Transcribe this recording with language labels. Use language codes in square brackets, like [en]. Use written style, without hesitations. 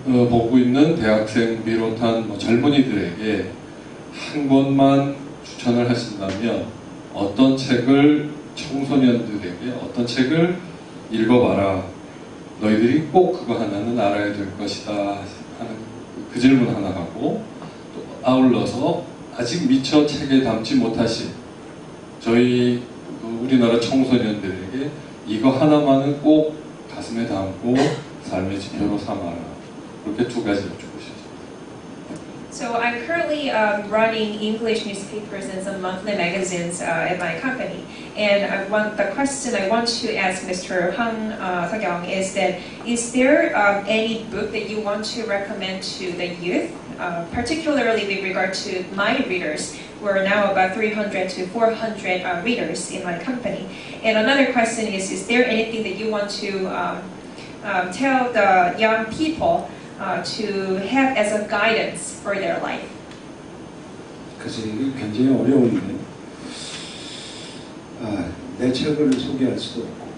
[ko] 보고 있는 대학생 비롯한 뭐 젊은이들에게 한 권만 추천을 하신다면 어떤 책을 청소년들에게 어떤 책을 읽어봐라 너희들이 꼭 그거 하나는 알아야 될 것이다 하는 그 질문 하나 하고 또 아울러서 아직 미처 책에 담지 못하신 저희 우리나라 청소년들에게 이거 하나만은 꼭 가슴에 담고 삶의 지표로 삼아라 그렇게 두 가지 여쭙고 싶습니다. [en] So I'm currently running English newspapers and some monthly magazines at my company. And the question I want to ask Mr. Hong Seo-kyung is that, is there any book that you want to recommend to the youth, particularly with regard to my readers, were now about 300 to 400 readers in my company. And another question is there anything that you want to tell the young people to have as a guidance for their life? [ko] 글쎄, 이거 굉장히 어려운 일이네. 아, 내 책을 소개할 수도 없고.